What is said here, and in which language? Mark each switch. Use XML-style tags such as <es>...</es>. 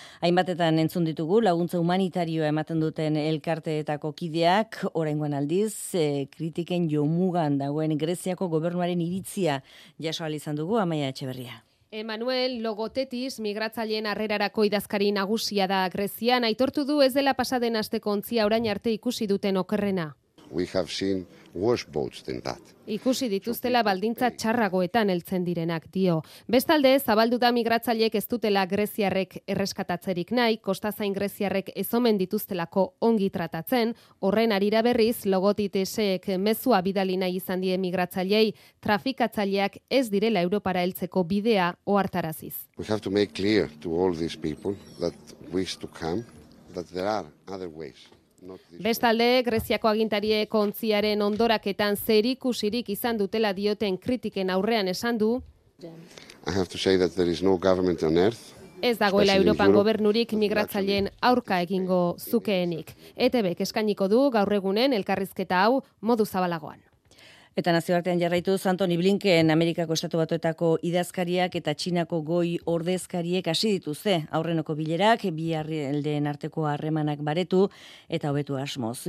<eu>Hainbatetan entzun ditugu laguntza humanitarioa ematen duten elkarteetako kideak, oraingoan aldiz kritiken jomugan dagoen Greziako gobernuaren iritzia jaso ahal izan dugu Amaia Etxeberria. Emmanuel Logothetis, migratzaileen harrerarako idazkari nagusia da Grezian, aitortu du ez dela pasaden asteko ontzia orain arte ikusi duten okerrena.</eu> <en>We have seen worse boats than that.</en> <eu>Ikusi dituztela baldintza txarragoetan heltzen direnak dio. Bestalde, zabaldu da migratzaileek ez dutela greziarrek erreskatatzerik nahi, kostazain greziarrek ez omen dituztelako ongi tratatzen, horren arira berriz Logothetisek mezua bidali nahi izan die migratzaileei, trafikatzaileak ez direla Europara heltzeko bidea ohartaraziz.</eu> <en>We have to make clear to all these people that wish to come that there are other ways.</en> <eu>Bestalde, Greziako agintariek ontziaren ondoraketan zerikusirik izan dutela dioten kritiken aurrean esan du.</eu> <en>I have to say that there is no government on earth.</en> <eu>Ez dagoela Europan gobernurik migratzaileen aurka egingo zukeenik. ETB-k eskainiko du gaur egunen elkarrizketa hau modu zabalagoan. Eta nazioartean jarraituz, Antony Blinken Amerikako Estatu Batuetako idazkariak eta Txinako goi ordezkariek hasi dituzte aurrenoko bilerak, bi herrialdeen arteko harremanak baretu eta hobetu asmoz.</eu>